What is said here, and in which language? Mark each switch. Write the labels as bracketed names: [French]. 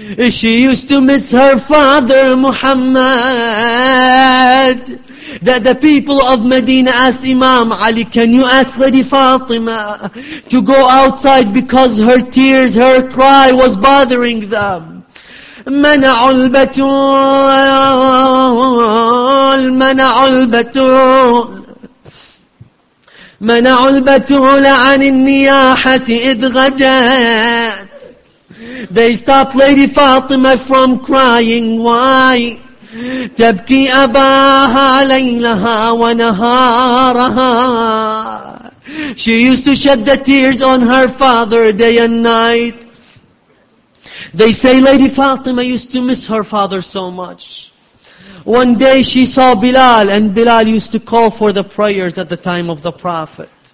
[English] She used to miss her father Muhammad. That the people of Medina asked Imam Ali, can you ask Lady Fatima to go outside because her tears, her cry was bothering them. [Arabic] منعوا البتول, منعوا البتول, منعوا البتول عن النياحة إذ غدت. [English] They stopped Lady Fatima from crying. Why? [Arabic] تبكي أباها ليلها ونهارها. [English] She used to shed the tears on her father day and night. They say Lady Fatima used to miss her father so much. One day she saw Bilal, and Bilal used to call for the prayers at the time of the Prophet.